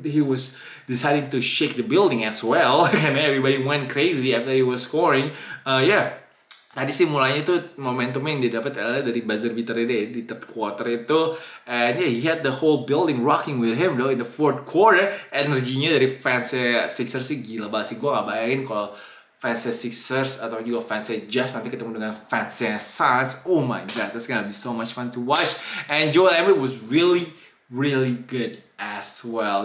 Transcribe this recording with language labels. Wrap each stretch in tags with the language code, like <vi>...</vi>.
<en>He was deciding to shake the building as well and everybody went crazy after he was scoring.</en> <id>Tadi sih mulanya tuh momentumnya yang didapat adalah dari buzzer beater ini di third quarter itu.</id> <en>And yeah, he had the whole building rocking with him though in the fourth quarter.</en> <id>Energinya dari fansnya Sixers sih gila banget sih. Gue gak bayangin kalau fansnya Sixers atau juga fansnya Jazz nanti ketemu dengan fansnya Suns.</id> <en>Oh my god, that's gonna be so much fun to watch. And Joel Embiid was really, really good as well.</en>